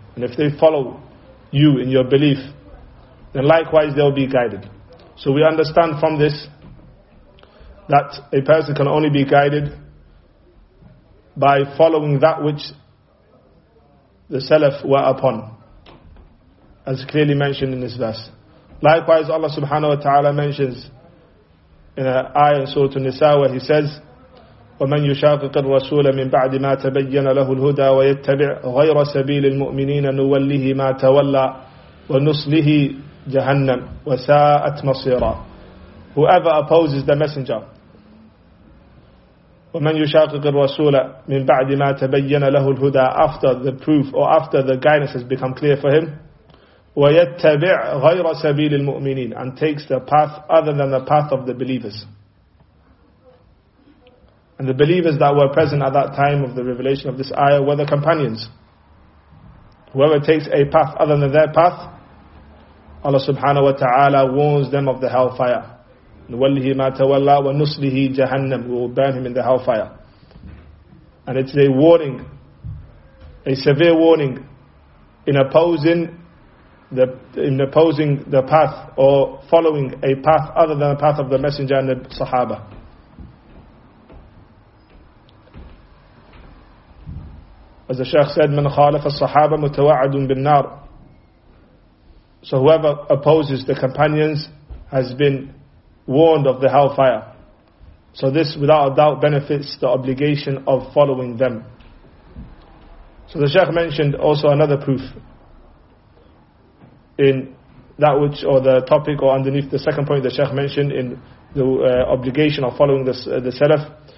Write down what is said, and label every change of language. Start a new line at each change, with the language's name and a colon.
English: And if they follow you in your belief, then likewise they will be guided. So we understand from this that a person can only be guided by following that which the Salaf were upon, as clearly mentioned in this verse. Likewise, Allah subhanahu wa ta'ala mentions in an ayah in Surah An-Nisa where he says,
Arabic: وَمَنْ يُشَاقِقِ الرَّسُولَ مِنْ بَعْدِ مَا تَبَيَّنَ لَهُ الْهُدَى وَيَتَّبِعْ غَيْرَ سَبِيلِ الْمُؤْمِنِينَ نُوَلِّهِ مَا تَوَلَّى وَنُصْلِهِ جَهَنَّمْ وَسَاءَتْ مَصِيرًا.
English: Whoever opposes the messenger,
Arabic: وَمَنْ يُشَاقِقِ الرَّسُولَ مِنْ بَعْدِ مَا تَبَيَّنَ لَهُ الْهُدَى,
English: after the proof or after the guidance has become clear for him,
Arabic: وَيَتَّبِعْ غَيْرَ سَبِيلِ الْمُؤْمِنِينَ,
English: and takes the path other than the path of the believers. And the believers that were present at that time of the revelation of this ayah were the companions. Whoever takes a path other than their path, Allah subhanahu wa ta'ala warns them of the hellfire.
Arabic: نُوَلِّهِ مَا تَوَلَّى وَنُصْلِهِ جَهَنَّمْ,
English: we will burn him in the hellfire. And it's a warning, a severe warning, in opposing the path or following a path other than the path of the messenger and the sahaba. As the Shaykh said,
Arabic: مَنْ خَالَفَ الصَّحَابَ مُتَوَعَدٌ بِالنَّارِ.
English: So whoever opposes the companions has been warned of the hellfire. So this without a doubt benefits the obligation of following them. So the Shaykh mentioned also another proof in that which, or the topic, or underneath the second point the Shaykh mentioned in the obligation of following the Salaf.